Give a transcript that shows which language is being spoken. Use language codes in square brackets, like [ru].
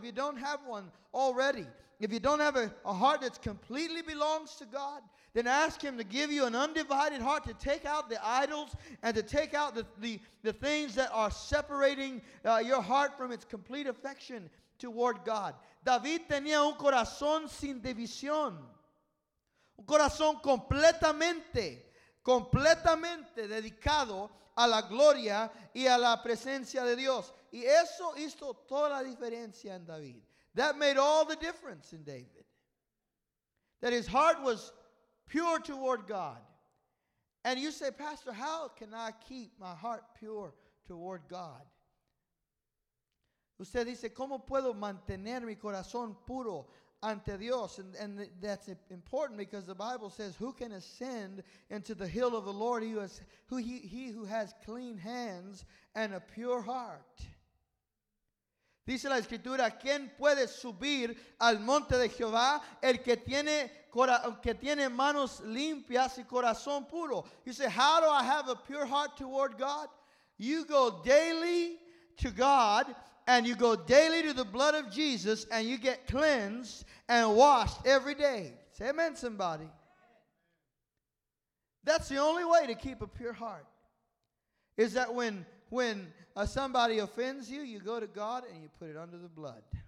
[en] If you don't have one already, if you don't have a heart that completely belongs to God, then ask him to give you an undivided heart to take out the idols and to take out the things that are separating your heart from its complete affection toward God. [es] David tenía un corazón sin división. Un corazón completamente dedicado a la gloria y a la presencia de Dios. Y eso hizo toda la diferencia en David. [en] That made all the difference in David. That his heart was pure toward God. And you say, Pastor, how can I keep my heart pure toward God? [es] Usted dice, ¿cómo puedo mantener mi corazón puro ante Dios? [en] And that's important because the Bible says, who can ascend into the hill of the Lord? He who has clean hands and a pure heart. [es] Dice la Escritura, ¿quién puede subir al monte de Jehová? El que tiene, que tiene manos limpias y corazón puro. [en] You say, how do I have a pure heart toward God? You go daily to God, and you go daily to the blood of Jesus, and you get cleansed and washed every day. Say amen, somebody. That's the only way to keep a pure heart. Is that when somebody offends you, you go to God and you put it under the blood.